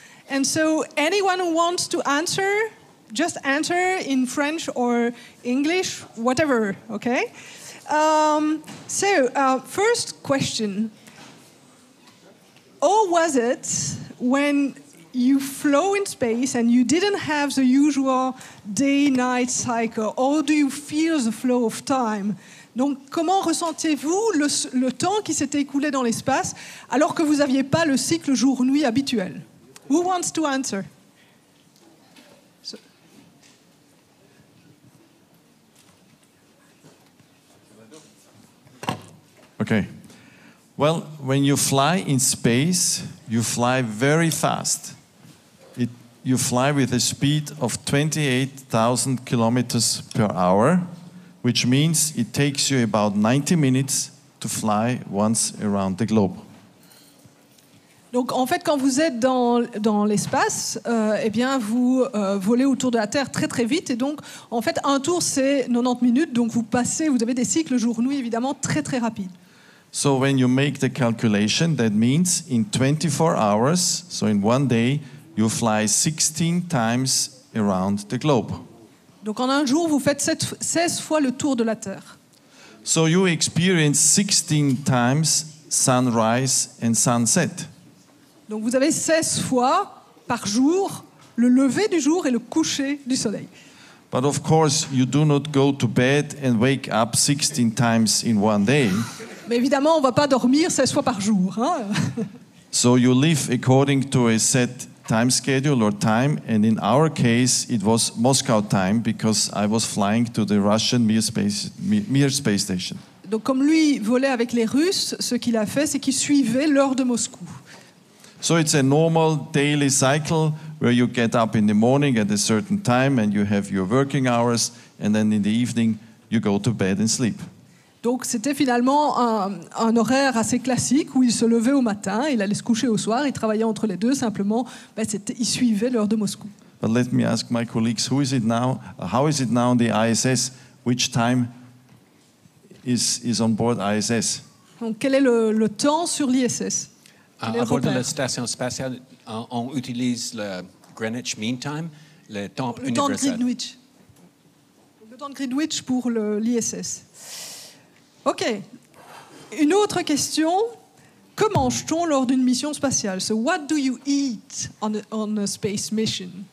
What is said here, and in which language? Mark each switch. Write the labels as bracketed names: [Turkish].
[English] And so anyone who wants to answer, just answer in French or English, whatever, okay? First question. How was it when you flew in space and you didn't have the usual day-night cycle? How do you feel the flow of time? [French] Donc, comment ressentez-vous le temps qui s'était écoulé dans l'espace alors que vous n'aviez pas le cycle jour-nuit habituel? [English] Who wants to answer? So. Okay. Well, when you fly in space, you fly very fast. You fly with a speed of 28,000 kilometers per hour, which means it takes you about 90 minutes to fly once around the globe. [French] Donc, en fait, quand vous êtes dans l'espace, volez autour de la Terre très, très vite. Et donc, en fait, un tour, c'est 90 minutes. Donc, vous avez des cycles jour-nuit, évidemment, très, très rapides. [English] So, when you make the calculation, that means in 24 hours, so in one day, you fly 16 times around the globe. [French] Donc, en un jour, vous faites 16 fois le tour de la Terre. [English] So, you experience 16 times sunrise and sunset. [French] Donc vous avez 16 fois par jour le lever du jour et le coucher du soleil. [English] But of course, you do not go to bed and wake up 16 times in one day. [French] Mais évidemment, on ne va pas dormir 16 fois par jour. Hein? [English] So you live according to a set time schedule or time, and in our case, it was Moscow time because I was flying to the Russian Mir space station. [French] Donc comme lui volait avec les Russes, ce qu'il a fait, c'est qu'il suivait l'heure de Moscou. [English] So it's a normal daily cycle where you get up in the morning at a certain time and you have your working hours and then in the evening you go to bed and sleep. [French] Donc c'était finalement un horaire assez classique où il se levait au matin, il allait se coucher au soir, il travaillait entre les deux simplement, il suivait l'heure de Moscou. [English] But let me ask my colleagues, who is it now? How is it now on the ISS? Which time is on board ISS? [French] Donc quel est le temps sur l'ISS? À bord de la station spatiale, on utilise le Greenwich Mean Time, le temps universel. Le temps de Greenwich. Le temps de Greenwich pour l'ISS. OK. Une autre question. Que mange-t-on lors d'une mission spatiale? [English] So what do you eat on a space mission?